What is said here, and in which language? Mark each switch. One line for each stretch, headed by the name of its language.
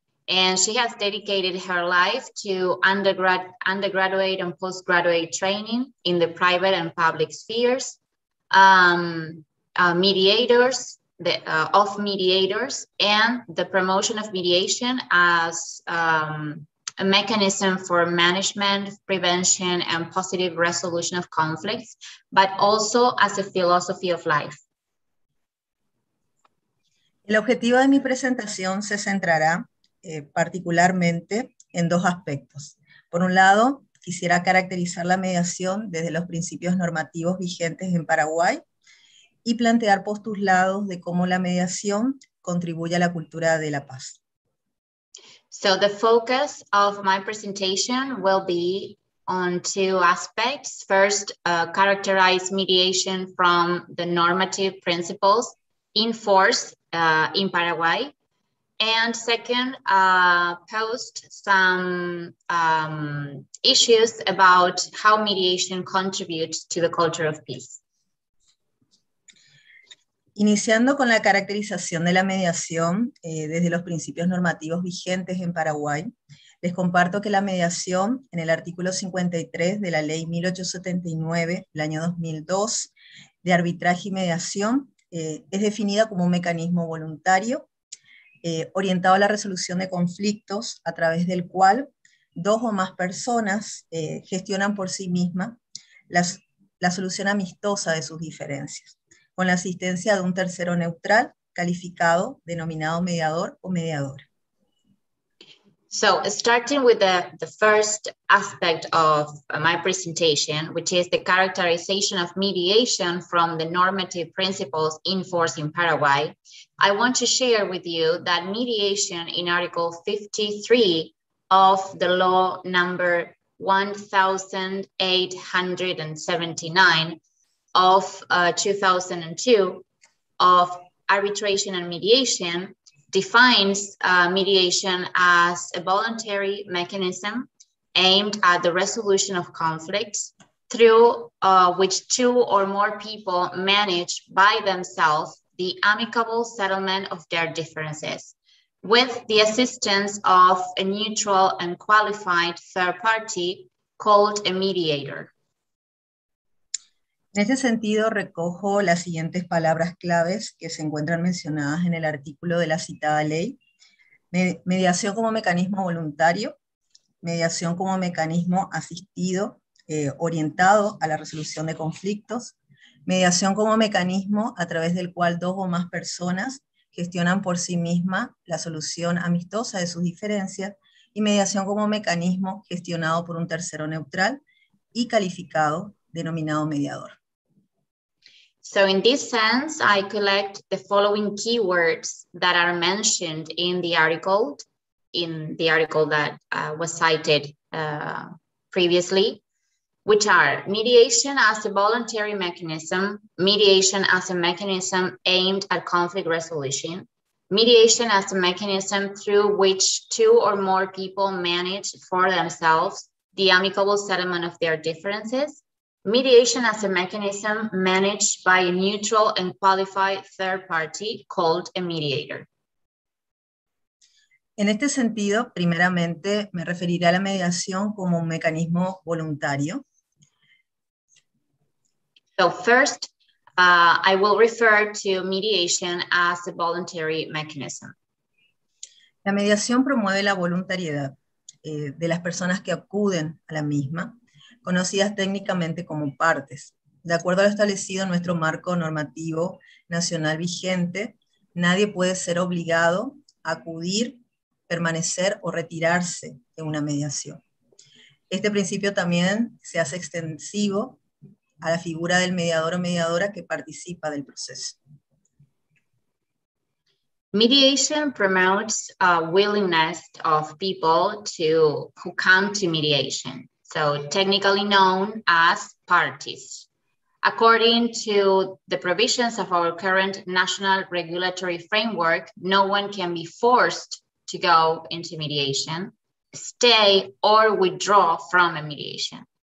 English: And she has dedicated her life to undergraduate and postgraduate training in the private and public spheres, mediators, of mediators, and the promotion of mediation as a mechanism for management, prevention, and positive resolution of conflicts, but also as a philosophy of life.
Spanish: El objetivo de mi presentación se centrará particularmente en dos aspectos. Por un lado, quisiera caracterizar la mediación desde los principios normativos vigentes en Paraguay y plantear postulados de cómo la mediación contribuye a la cultura de la paz.
English: So the focus of my presentation will be on two aspects. First, characterize mediation from the normative principles in force in Paraguay. And second, post some issues about how mediation contributes to the culture of peace.
Spanish: Iniciando con la caracterización de la mediación desde los principios normativos vigentes en Paraguay, les comparto que la mediación en el artículo 53 de la ley 1879 del año 2002 de arbitraje y mediación es definida como un mecanismo voluntario orientado a la resolución de conflictos a través del cual dos o más personas gestionan por sí mismas la solución amistosa de sus diferencias, con la asistencia de un tercero neutral calificado, denominado mediador o mediadora.
English: So, starting with the first aspect of my presentation, which is the characterization of mediation from the normative principles in force in Paraguay, I want to share with you that mediation in Article 53 of the law number 1879 of 2002 of arbitration and mediation defines mediation as a voluntary mechanism aimed at the resolution of conflicts through which two or more people manage by themselves the amicable settlement of their differences with the assistance of a neutral and qualified third party called a mediator.
Spanish: En ese sentido, recojo las siguientes palabras claves que se encuentran mencionadas en el artículo de la citada ley. Mediación como mecanismo voluntario, mediación como mecanismo asistido, orientado a la resolución de conflictos, mediación como mecanismo a través del cual dos o más personas gestionan por sí misma la solución amistosa de sus diferencias, y mediación como mecanismo gestionado por un tercero neutral y calificado, denominado mediador.
English: So in this sense, I collect the following keywords that are mentioned in the article that was cited previously, which are mediation as a voluntary mechanism, mediation as a mechanism aimed at conflict resolution, mediation as a mechanism through which two or more people manage for themselves the amicable settlement of their differences, mediation as a mechanism managed by a neutral and qualified third party called a mediator.
Spanish: En este sentido, primeramente me referiré a la mediación como un mecanismo voluntario.
English: So first, I will refer to mediation as a voluntary mechanism.
Spanish: La mediación promueve la voluntariedad de las personas que acuden a la misma, conocidas técnicamente como partes. De acuerdo a lo establecido en nuestro marco normativo nacional vigente, nadie puede ser obligado a acudir, permanecer o retirarse de una mediación. Este principio también se hace extensivo a la figura del mediador o mediadora que participa del proceso.
English: Mediation promotes a willingness of people who come to mediation, so technically known as parties. According to the provisions of our current national regulatory framework, no one can be forced to go into mediation, stay or withdraw from a mediation.